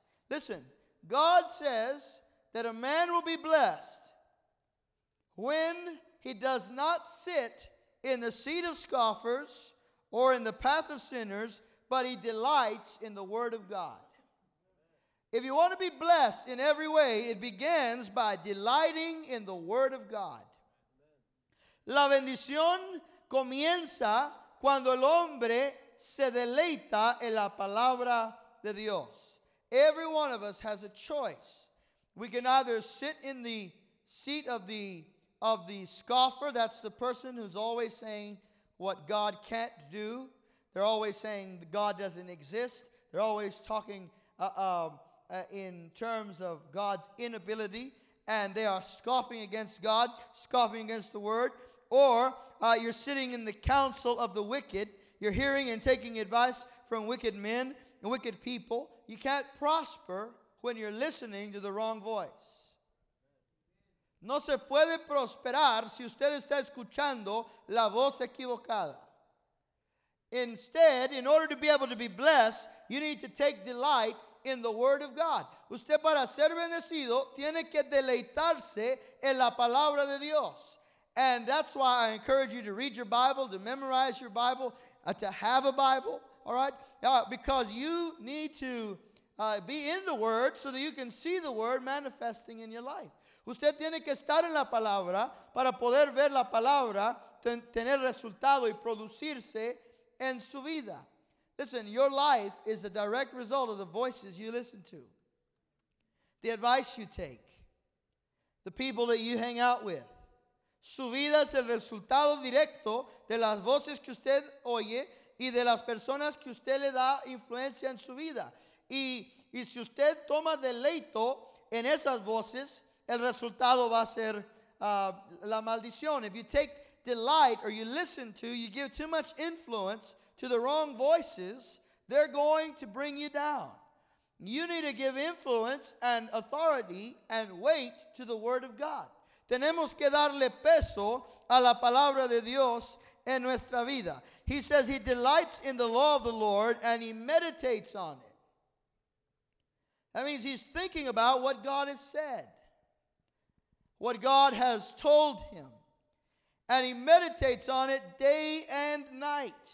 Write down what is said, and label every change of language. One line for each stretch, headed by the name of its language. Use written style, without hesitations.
English: Listen, God says that a man will be blessed when he does not sit in the seat of scoffers or in the path of sinners, but he delights in the word of God. If you want to be blessed in every way, it begins by delighting in the Word of God.
Spanish: La bendición comienza cuando el hombre se deleita en la palabra de Dios.
English: Every one of us has a choice. We can either sit in the seat of the scoffer. That's the person who's always saying what God can't do. They're always saying God doesn't exist. They're always talking in terms of God's inability, and they are scoffing against God, scoffing against the Word. Or you're sitting in the council of the wicked. You're hearing and taking advice from wicked men and wicked people. You can't prosper when you're listening to the wrong voice.
Spanish: No se puede prosperar si usted está escuchando la voz equivocada.
English: Instead, in order to be able to be blessed, you need to take delight in the Word of God.
Spanish: Usted para ser bendecido tiene que deleitarse en la palabra de Dios.
English: And that's why I encourage you to read your Bible, to memorize your Bible, to have a Bible, all right? Because you need to be in the Word so that you can see the Word manifesting in your life.
Spanish: Usted tiene que estar en la palabra para poder ver la palabra, tener resultado y producirse en su vida.
English: Listen, your life is a direct result of the voices you listen to, the advice you take, the people that you hang out with.
Spanish: Su vida es el resultado directo de las voces que usted oye y de las personas que usted le da influencia en su vida. Y si usted toma deleito en esas voces, el resultado va a ser la maldición.
English: If you take delight or you listen to, you give too much influence to the wrong voices, they're going to bring you down. You need to give influence and authority and weight to the Word of God.
Spanish: Tenemos que darle peso a la palabra de Dios en nuestra vida.
English: He says he delights in the law of the Lord and he meditates on it. That means he's thinking about what God has said, what God has told him, and he meditates on it day and night.